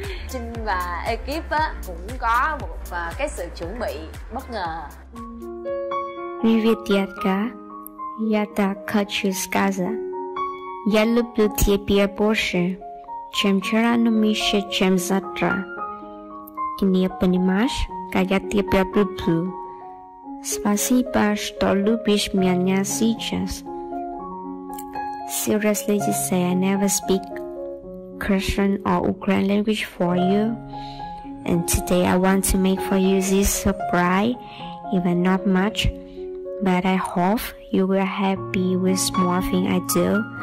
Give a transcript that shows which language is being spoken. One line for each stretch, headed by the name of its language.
Vietnamese: Trinh và ekip á cũng có một cái sự chuẩn bị bất ngờ. Vì việc gì cả,
Russian: я так хочу сказать, я люблю тебя больше, чем вчера, но меньше, чем завтра. Ты не понимаешь, как я тебя люблю. Спасибо, что любишь меня сейчас.
English: Seriously, to say I never speak Christian or Ukrainian language for you, and today I want to make for you this surprise, even not much. but I hope you will happy with small thing I do.